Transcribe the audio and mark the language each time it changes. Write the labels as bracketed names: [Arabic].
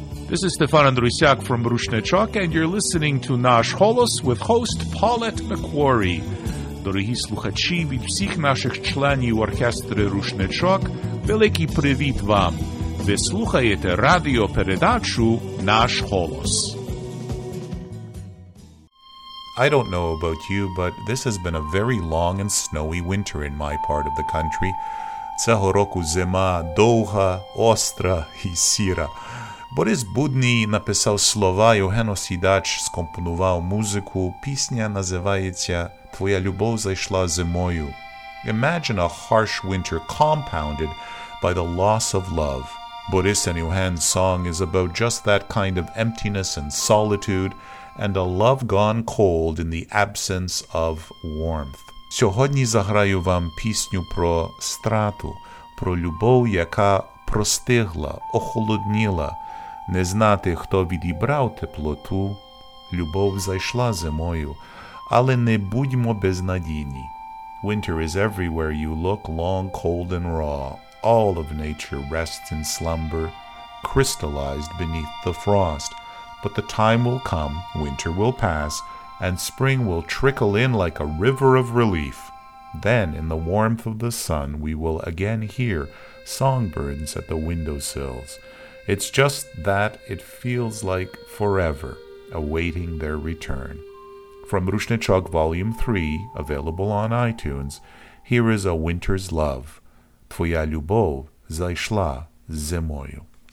[English] This is Stefan Andrusiak from Rushnechok, and you're listening to Nash Holos with host Paulette McQuarrie. [Ukrainian] Дорогі слухачі від всіх наших членів оркестри Рушнечок, великий привіт вам! Ви слухаєте радіопередачу «Наш голос». [English] I don't know about you, but this has been a very long and snowy winter in my part of the country. [Ukrainian] Цього року зима довга, остра і сіра. Борис Будний написав слова, Євгено Сідач скомпонував музику. Пісня називається «Твоя любов зайшла зимою». [English] Imagine a harsh winter compounded by the loss of love. Borisa Nguyen's song is about just that kind of emptiness and solitude, and a love gone cold in the absence of warmth. [Ukrainian] Сьогодні заграю вам пісню про страту, про любов, яка простигла, охолодніла, не знати, хто відібрав теплоту. Любов зайшла зимою, але не будьмо безнадійні. [English] Winter is everywhere you look, long, cold, and raw. All of nature rests in slumber, crystallized beneath the frost. But the time will come, winter will pass, and spring will trickle in like a river of relief. Then, in the warmth of the sun, we will again hear songbirds at the windowsills. It's just that it feels like forever, awaiting their return. From Rushnichok Volume 3, available on iTunes, here is A Winter's Love. [Ukrainian] Твоя любов зайшла зимою.